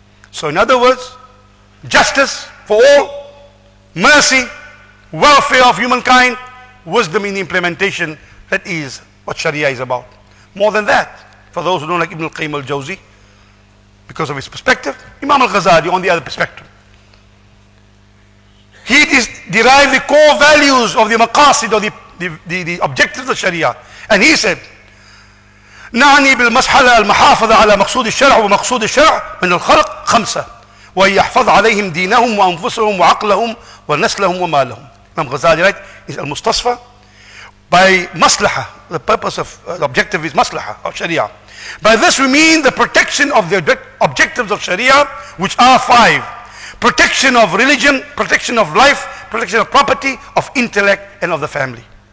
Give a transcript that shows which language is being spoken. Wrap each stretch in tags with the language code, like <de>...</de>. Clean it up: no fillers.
<en>So in other words, justice for all, mercy, welfare of humankind, wisdom in the implementation, that is what Sharia is about. More than that, for those who don't like Ibn al-Qayyim al-Jawzi, because of his perspective, Imam al-Ghazali on the other perspective. He derived the core values of the maqasid, or the objectives of Sharia. And he said,</en> <ar>نعني بالمسحلة المحافظة على مقصود الشرع ومقصود الشرع من الخلق خمسة ويحفظ عليهم دينهم وأنفسهم وعقلهم ونسلهم ومالهم.</ar> <en>Imam Ghazali writes, المستصفى by مصلحة, the purpose of the objective is مصلحة of Sharia. By this we mean the protection of the objectives of Sharia, which are five: protection of religion, protection of life, protection of property, of intellect, and of the family.</en>